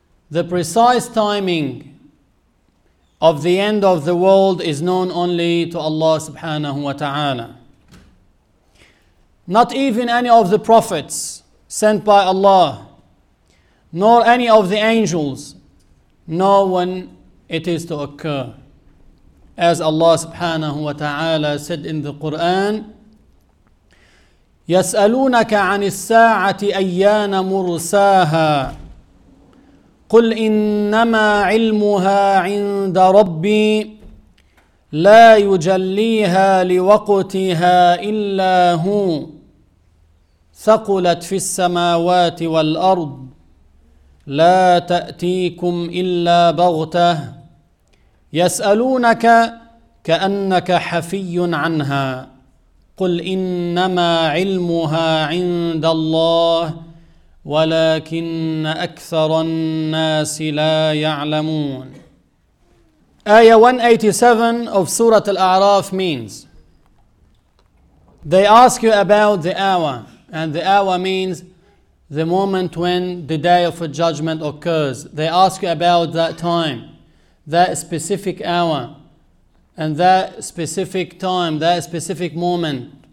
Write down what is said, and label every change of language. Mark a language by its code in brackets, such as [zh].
[en] The precise timing of the end of the world is known only to Allah subhanahu wa ta'ala. Not even any of the prophets sent by Allah, nor any of the angels, know when it is to occur. As Allah subhanahu wa ta'ala said in the Quran, [ar] يَسْأَلُونَكَ عَنِ السَّاعَةِ أَيَّانَ مُرْسَاهَا قُلْ إِنَّمَا عِلْمُهَا عِنْدَ رَبِّي لَا يُجَلِّيهَا لِوَقْتِهَا إِلَّا هُوَ ثَقُلَتْ فِي السَّمَاوَاتِ وَالْأَرْضِ لَا تَأْتِيكُمْ إِلَّا بَغْتَهُ يَسْأَلُونَكَ كَأَنَّكَ حَفِيٌّ عَنْهَا قُلْ إِنَّمَا عِلْمُهَا عِنْدَ اللَّهِ ولكن أكثر الناس لا يعلمون. [en] Ayah 187 of Surah Al-A'raf means, they ask you about the hour, and the hour means the moment when the day of judgment occurs. They ask you about that time, that specific hour, and that specific time, that specific moment.